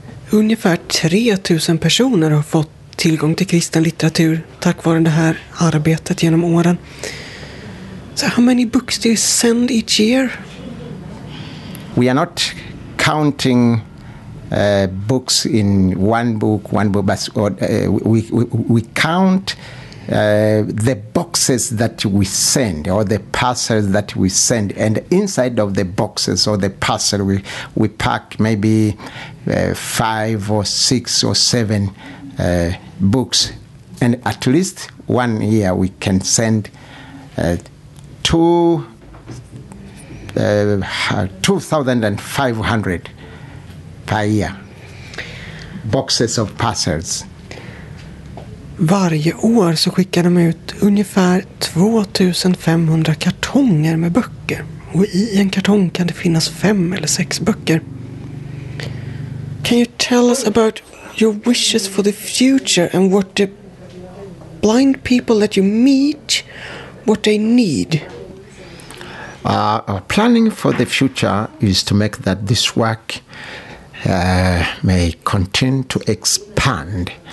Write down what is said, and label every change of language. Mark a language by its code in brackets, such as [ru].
[sv] Ungefär 3,000 personer har fått tillgång till kristen litteratur tack vare det här arbetet genom åren. [en] So how many books do you send each year? We are not counting books in one book, but we count the boxes that we send, or the parcels that we send, and inside of the boxes or the parcel we pack maybe 5 or 6 or 7 books, and at least one year we can send 2,500 per year boxes of parcels. [sv] Varje år så skickar de ut ungefär 2,500 kartonger med böcker. Och i en kartong kan det finnas 5 eller 6 böcker. [en] Can you tell us about your wishes for the future and what the blind people that you meet, what they need? Our planning for the future is to make that this work may continue to expand.